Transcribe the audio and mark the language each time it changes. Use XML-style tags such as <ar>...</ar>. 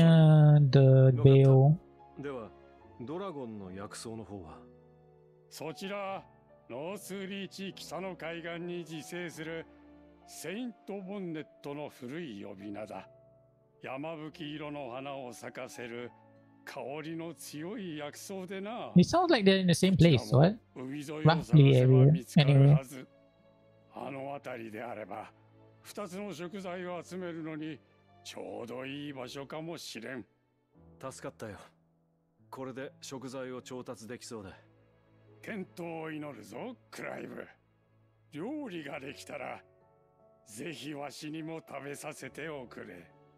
<ja>ャーではドラゴンの薬草の方は、そちらノースリーチ北の海岸に自生するセイントボンネットの古い呼び名だ。山吹色の花を咲かせる香りの強い薬草でな。</ja> <en>It sounds like they're in the same place, what? Roughly area. Anyway.</en> <ja>あの辺りであれば、 2つの食材を集めるのにちょうどいい場所かもしれん。助かったよ。これで食材を調達できそうだ。健闘を祈るぞ、クライブ。料理ができたらぜひわしにも食べさせておくれ。</ja>